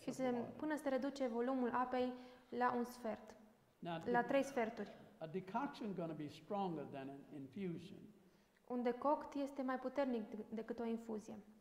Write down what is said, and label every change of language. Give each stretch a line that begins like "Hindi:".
Romanian: și se până se reduce volumul apei la un sfert.
English: Now,
Romanian: la trei sferturi.
English: A decoction going to be stronger than an infusion.
Romanian: Un decoct este mai puternic decât o infuzie.